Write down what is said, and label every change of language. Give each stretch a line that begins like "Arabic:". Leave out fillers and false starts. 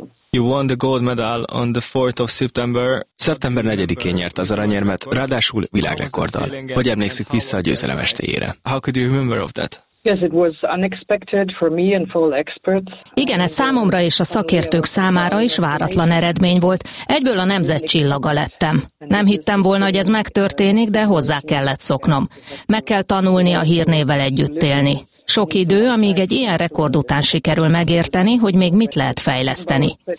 English: You won the gold medal on the 4th of September.
Hungarian: Szeptember 4-én nyerte az aranyérmet, ráadásul világrekorddal. Hogy emlékszik vissza a győzelem estejére?
English: How could you remember of that? Yes, it was unexpected for me and for all experts.
Hungarian: Igen, ez számomra és a szakértők számára is váratlan eredmény volt. Egyből a nemzet csillaga lettem. Nem hittem volna, hogy ez megtörténik, de hozzá kellett szoknom. Meg kell tanulni a hírnévvel együtt élni. Sok idő, amíg egy ilyen rekord után sikerül megérteni, hogy még mit lehet fejleszteni.